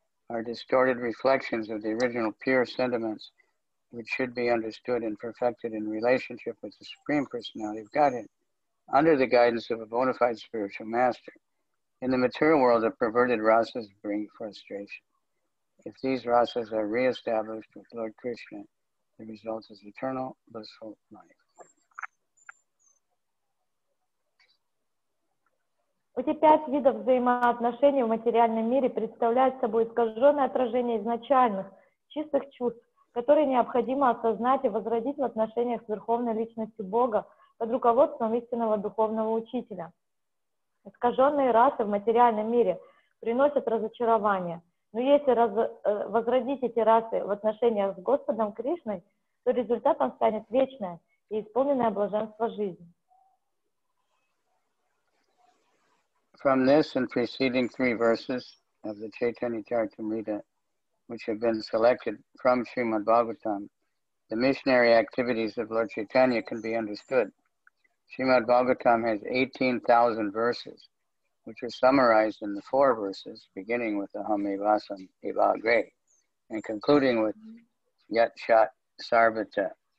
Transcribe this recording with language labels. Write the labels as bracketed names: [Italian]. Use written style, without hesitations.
[English] are distorted reflections of the original pure sentiments, which should be understood and perfected in relationship with the Supreme Personality of Godhead, under the guidance of a bona fide spiritual master. In the material world, the perverted rasas bring frustration. If these rasas are reestablished with Lord Krishna, the result is eternal, blissful life. [Russian] Эти пять видов взаимоотношений в материальном мире представляют собой искаженное отражение изначальных, чистых чувств, которые необходимо осознать и возродить в отношениях с Верховной Личностью Бога под руководством истинного духовного учителя. Искаженные расы в материальном мире приносят разочарование, но если возродить эти расы в отношениях с Господом Кришной, то результатом станет вечное и исполненное блаженство жизни. [English] From this and preceding three verses of the Chaitanya-charitamrita, which have been selected from Srimad Bhagavatam, the missionary activities of Lord Chaitanya can be understood. Srimad Bhagavatam has 18,000 verses, which are summarized in the four verses, beginning with the Hame Vasam Evagre, and concluding with Yat Shat Sarvata.